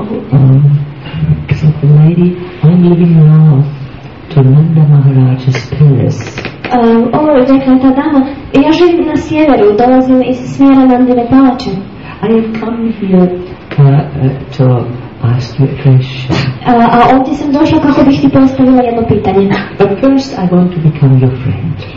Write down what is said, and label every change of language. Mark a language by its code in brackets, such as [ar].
[en] The lady, I'm living now to Nanda Maharaj's palace. [hr] Rekla ta dama, ja živim na sjeveru, dolazim iz smjera Nandine palače. [en] I have come here to ask you a question. [hr] A ovdje sam došla kako bih ti postavila jedno pitanje. [en] But first I want to become your friend.